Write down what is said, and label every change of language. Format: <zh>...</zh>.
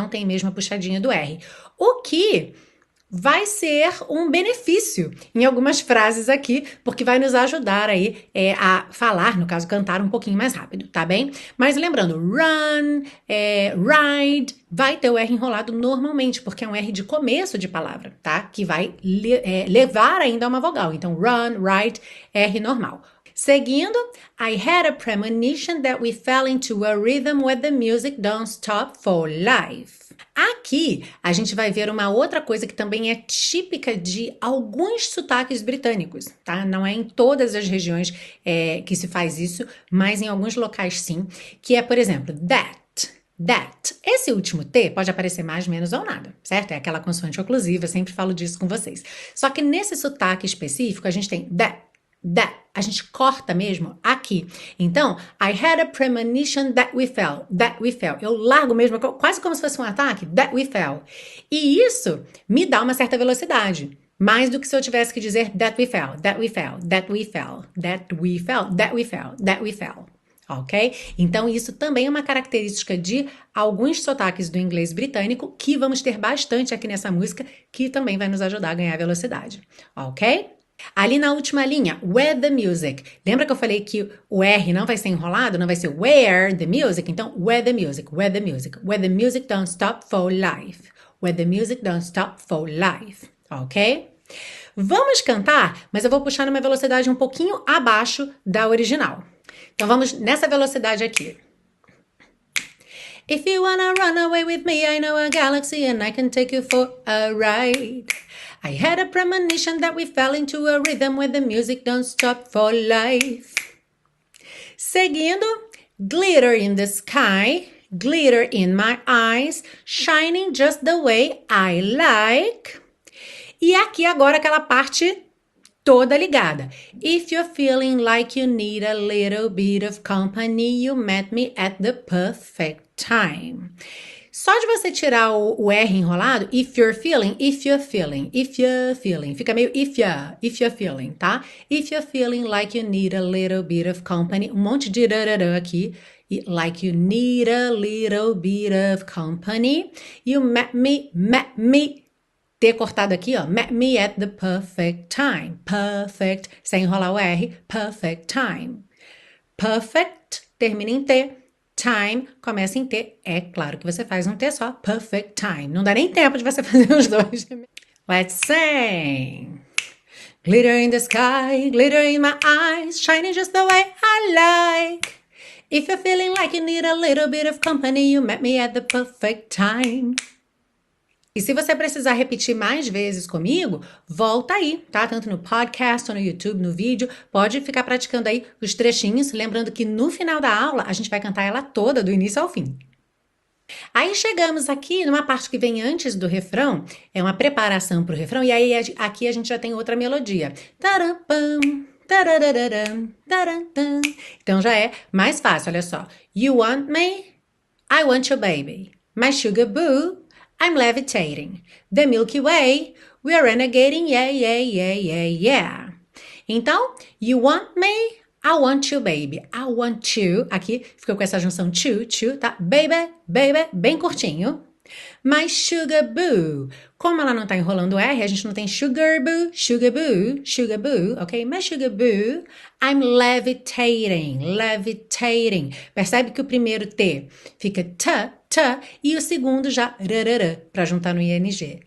<pt>Não tem mesmo a puxadinha do R. O que vai ser um benefício em algumas frases aqui, porque vai nos ajudar aí a falar, no caso, cantar um pouquinho mais rápido, tá bem? Mas lembrando, run, ride, vai ter o R enrolado normalmente, porque é um R de começo de palavra, tá? Que vai levar ainda a uma vogal. Então, run, ride, R normal.</pt> <en>Seguindo, I had a premonition that we fell into a rhythm where the music don't stop for life.</en> <pt>Aqui a gente vai ver uma outra coisa que também é típica de alguns sotaques britânicos, tá? Não é em todas as regiões que se faz isso, mas em alguns locais sim, que é, por exemplo, that. Esse último T pode aparecer mais, menos ou nada, certo? É aquela consoante oclusiva, sempre falo disso com vocês. Só que nesse sotaque específico a gente tem that. A gente corta mesmo aqui.</pt> <en>Então, I had a premonition that we fell.</en> <pt>Eu largo mesmo, quase como se fosse um ataque,</pt> <en>that we fell.</en> <pt>E isso me dá uma certa velocidade. Mais do que se eu tivesse que dizer</pt> <en>that we fell, that we fell, that we fell, that we fell, that we fell, that we fell. Ok?</en> <pt>Então, isso também é uma característica de alguns sotaques do inglês britânico que vamos ter bastante aqui nessa música, que também vai nos ajudar a ganhar velocidade. Ok? Ali na última linha,</pt> <en>where the music.</en> <pt>Lembra que eu falei que o R não vai ser enrolado? Não vai ser</pt> <en>where the music? Então, where the music, where the music. Where the music don't stop for life. Where the music don't stop for life. Ok?</en> <pt>Vamos cantar, mas eu vou puxar numa velocidade um pouquinho abaixo da original. Então, vamos nessa velocidade aqui.</pt> <en>If you wanna run away with me, I know a galaxy and I can take you for a ride. I had a premonition that we fell into a rhythm where the music don't stop for life. Seguindo, glitter in the sky, glitter in my eyes, shining just the way I like.</en> <pt>E aqui agora aquela parte toda ligada.</pt> <en>If you're feeling like you need a little bit of company, you met me at the perfect time.</en> <pt>Só de você tirar o R enrolado,</pt> <en>if you're feeling, if you're feeling, if you're feeling,</en> <pt>fica meio</pt> <en>if you're feeling, tá? If you're feeling like you need a little bit of company,</en> <pt>um monte de rararã aqui,</pt> <en>like you need a little bit of company, you met me,</en> <pt>ter cortado aqui, ó,</pt> <en>met me at the perfect time, perfect,</en> <pt>sem enrolar o R,</pt> <en>perfect time, perfect,</en> <pt>termina em T. Time começa em T. É claro que você faz um T só. Perfect time. Não dá nem tempo de você fazer os dois.</pt> <en>Let's sing. Glitter in the sky, glitter in my eyes, shining just the way I like. If you're feeling like you need a little bit of company, you met me at the perfect time.</en> <pt>E se você precisar repetir mais vezes comigo, volta aí, tá? Tanto no podcast, ou no YouTube, no vídeo. Pode ficar praticando aí os trechinhos. Lembrando que no final da aula, a gente vai cantar ela toda, do início ao fim. Aí chegamos aqui numa parte que vem antes do refrão. É uma preparação para o refrão. E aí aqui a gente já tem outra melodia. Tarampam, tarararam, tarantam. Então já é mais fácil, olha só.</pt> <en>You want me? I want you, baby. My sugar boo. I'm levitating. The Milky Way, we are renegating, yeah. Então, you want me? I want you, baby. I want you.</en> <pt>Aqui ficou com essa junção to, tá? Baby, baby, bem curtinho. My sugar boo. Como ela não tá enrolando o R, a gente não tem</pt> <en>sugar boo, sugar boo, sugar boo,</en> <pt>ok?</pt> <en>My sugar boo. I'm levitating, levitating.</en> <pt>Percebe que o primeiro T fica t. Tá, e o segundo já rarara, para juntar no ING.</pt>